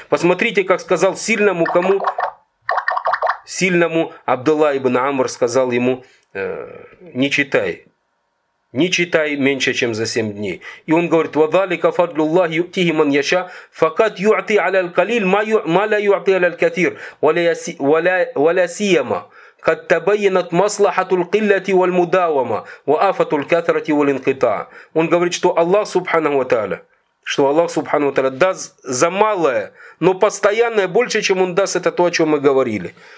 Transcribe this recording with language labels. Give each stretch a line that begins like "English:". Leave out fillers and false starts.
Russian: Посмотрите, как сказал сильному кому? Сильному Абдулла ибн Амр сказал ему, не читай. Не читай меньше, чем за 7 дней. И он говорит,
Arabic: «Вадалика фадлю Аллах ютихи ман яша, факат ю'ти аля аль-калил, ма ля ю'ти аля аль-катир, валя сияма». قد تبينت مصلحة القلة والمداومة وآفة الكثرة والانقطاع.
Russian: Он говорит, что Аллах субханаху ва тааля, даст за малое, но постоянное больше, чем он даст, это то, о чем мы говорили.